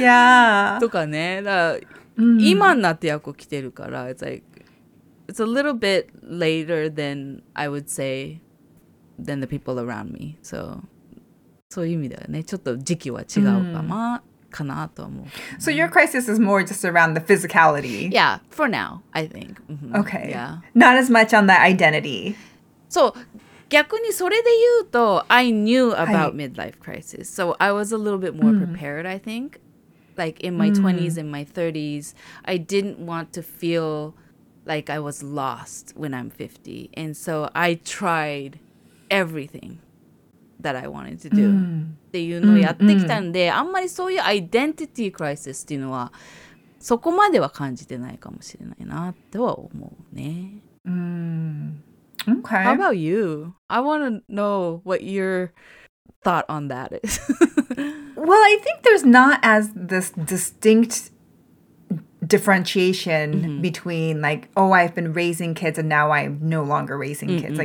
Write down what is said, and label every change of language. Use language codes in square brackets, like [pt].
[en] Yeah. [ja] とかね、だから、今になってやこ来てるから、 [en] it's like, it's a little bit later than I would say, than the people around me. [ja] So, そういう意味だよね。ちょっと時期は違うかな、かなと思う。 [en] So your crisis is more just around the physicality. Yeah, for now, I think. Okay. Yeah. Not as much on the identity. So, [ja] 逆にそれで言うと、 [en] I knew about midlife crisis. So, I was a little bit more prepared, I think. like in my 20s and my 30s, I didn't want to feel like I was lost when I'm 50. And so I tried everything that I wanted to do. [ja] っていうのをやってきたんで、あんまりそういうアイデンティティクライシスっていうのはそこまでは感じてないかもしれないなとは思うね。 [en] Okay. How about you? I want to know what your thought on that is. Well, I think there's not as this distinct differentiation between like, oh, I've been raising kids and now I'm no longer raising kids.